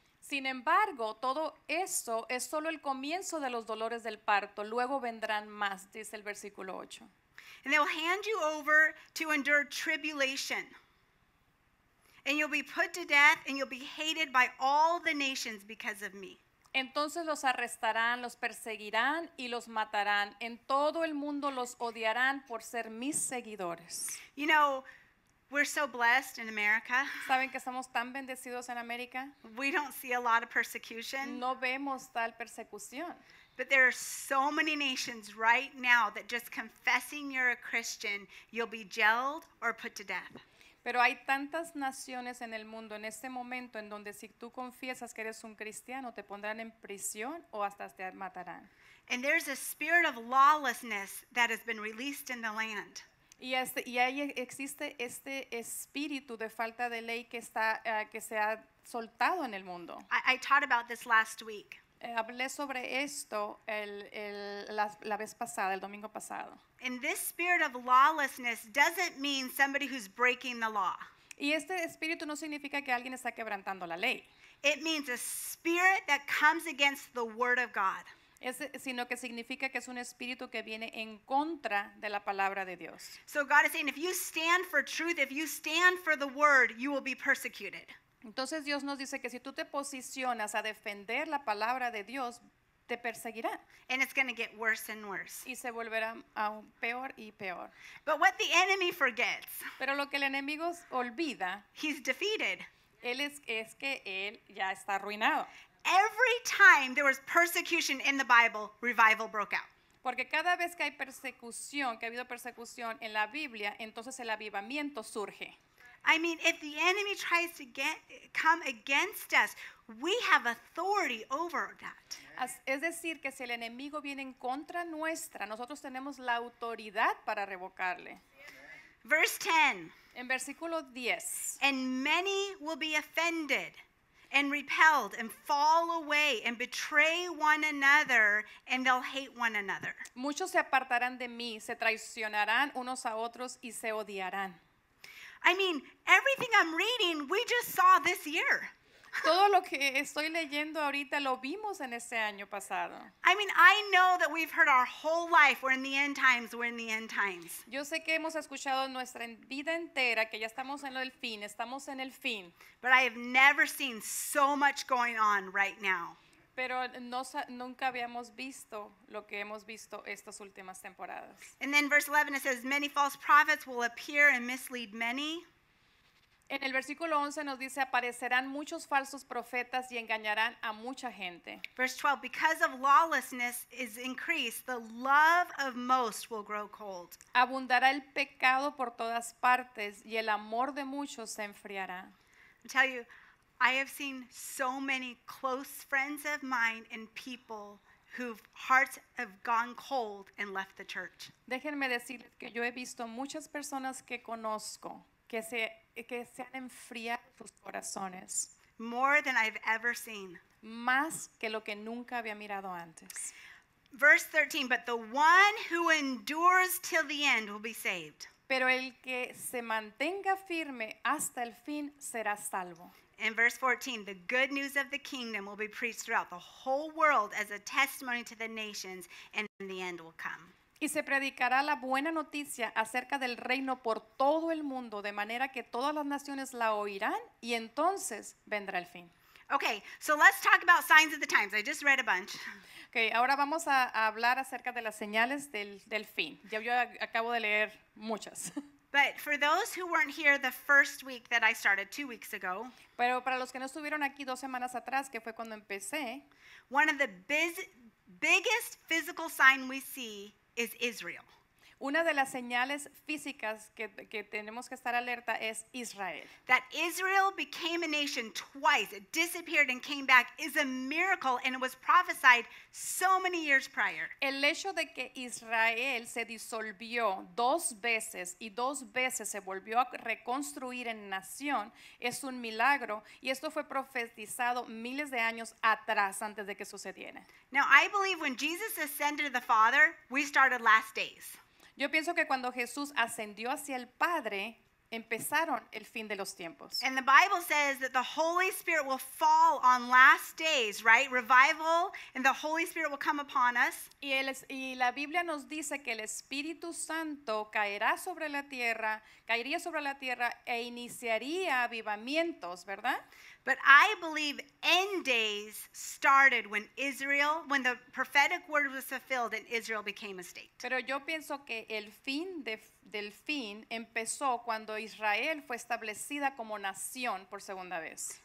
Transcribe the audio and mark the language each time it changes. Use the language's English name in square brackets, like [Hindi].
[Spanish] Sin embargo, todo eso es solo el comienzo de los dolores del parto. Luego vendrán más, dice el versículo 8. [English] And they will hand you over to endure tribulation. And you'll be put to death and you'll be hated by all the nations because of me. [Spanish] Entonces los arrestarán, los perseguirán y los matarán. En todo el mundo los odiarán por ser mis seguidores. [English] You know, we're so blessed in America. [Spanish] ¿Saben que estamos tan bendecidos en América? [English] We don't see a lot of persecution. [Spanish] No vemos tal persecución. [English] But there are so many nations right now that just confessing you're a Christian, you'll be jailed or put to death. [Spanish] Pero hay tantas naciones en el mundo en este momento en donde si tú confiesas que eres un cristiano, te pondrán en prisión o hasta te matarán. [English] And there's a spirit of lawlessness that has been released in the land. [Spanish] Y ahí existe este espíritu de falta de ley que está que se ha soltado en el mundo. [English] I taught about this last week. [Spanish] Hablé sobre esto la vez pasada, el domingo pasado. [English] And this spirit of lawlessness doesn't mean somebody who's breaking the law. [Spanish] Y este espíritu no significa que alguien está quebrantando la ley. [English] It means a spirit that comes against the word of God. [Spanish] Sino que significa que es un espíritu que viene en contra de la palabra de Dios. [English] So God is saying, if you stand for truth, if you stand for the word, you will be persecuted. [Spanish] Entonces Dios nos dice que si tú te posicionas a defender la palabra de Dios, te perseguirá. [English] And it's going to get worse and worse. [Spanish] Y se volverá aún peor y peor. [English] But what the enemy forgets. [Spanish] Pero lo que el enemigo olvida. [English] He's defeated. [Spanish] Es que él ya está arruinado. [English] Every time there was persecution in the Bible, revival broke out. [Spanish] Porque cada vez que hay persecución, que ha habido persecución en la Biblia, entonces el avivamiento surge. [English] I mean, if the enemy tries to come against us, we have authority over that. [Spanish] Es decir, que si el enemigo viene en contra nuestra, nosotros tenemos la autoridad para revocarle. [English] Verse 10. [Spanish] En versículo 10. [English] And many will be offended and repelled and fall away and betray one another and they'll hate one another. [Spanish] Muchos se apartarán de mí, se traicionarán unos a otros y se odiarán. [English] I mean, everything I'm reading, we just saw this year. [Spanish] Todo lo que estoy leyendo ahorita lo vimos en ese año pasado. [English] I mean, I know that we've heard our whole life, we're in the end times, we're in the end times. [Spanish] Yo sé que hemos escuchado nuestra vida entera, que ya estamos en el fin, estamos en el fin. [English] But I have never seen so much going on right now. [Spanish] Pero nunca habíamos visto lo que hemos visto estas últimas temporadas. [English] And then verse 11, it says, many false prophets will appear and mislead many. [Spanish] En el versículo 11 nos dice, aparecerán muchos falsos profetas y engañarán a mucha gente. [English] Verse 12, because of lawlessness is increased, the love of most will grow cold. [Spanish] Abundará el pecado por todas partes y el amor de muchos se enfriará. [English] I tell you, I have seen so many close friends of mine and people whose hearts have gone cold and left the church. [Spanish] Déjenme decirles que yo he visto muchas personas que conozco que se han enfriado sus corazones. [English] More than I've ever seen. [Spanish] Más que lo que nunca había mirado antes. [English] Verse 13, but the one who endures till the end will be saved. [Spanish] Pero el que se mantenga firme hasta el fin será salvo. [English] In verse 14, the good news of the kingdom will be preached throughout the whole world as a testimony to the nations, and then the end will come. [Spanish] Y se predicará la buena noticia acerca del reino por todo el mundo, de manera que todas las naciones la oirán, y entonces vendrá el fin. [English] Okay, so let's talk about signs of the times. I just read a bunch. [Spanish] Okay, ahora vamos a hablar acerca de las señales del fin. Yo acabo de leer muchas. [English] But for those who weren't here the first week that I started 2 weeks ago, [Spanish] pero para los que no estuvieron aquí 2 semanas atrás, que fue cuando empecé, [English] one of the biggest physical sign we see is Israel. [Spanish] Una de las señales físicas que tenemos que estar alerta es Israel. [English] That Israel became a nation twice, it disappeared and came back, is a miracle, and it was prophesied so many years prior. [Spanish] El hecho de que Israel se disolvió 2 veces y 2 veces se volvió a reconstruir en nación es un milagro, y esto fue profetizado miles de años atrás antes de que sucediera. [English] Now I believe when Jesus ascended to the Father, we started last days. [Spanish] Yo pienso que cuando Jesús ascendió hacia el Padre, empezaron el fin de los tiempos. [English] And the Bible says that the Holy Spirit will fall on last days, right? Revival, and the Holy Spirit will come upon us. [Spanish] Y la Biblia nos dice que el Espíritu Santo caería sobre la tierra e iniciaría avivamientos, ¿verdad? [English] But I believe end days started when the prophetic word was fulfilled and Israel became a state. [Spanish] Pero yo pienso que el fin del fin empezó cuando Israel fue establecida como nación por segunda vez.